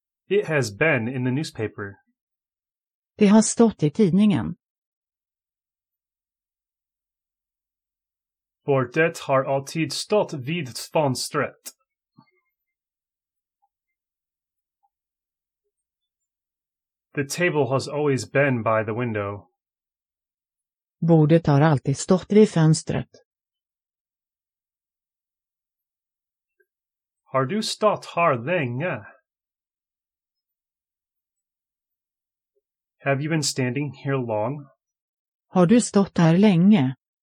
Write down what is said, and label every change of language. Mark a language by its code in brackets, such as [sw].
[en] It has been in the newspaper. [sv] De har stått i tidningen. Bordet har alltid stått vid fönstret. [en] The table has always been by the window. [sv] Bordet har alltid stått vid fönstret. Har du stått här länge? [en] Have you been standing here long? [sv] Har du stått här länge?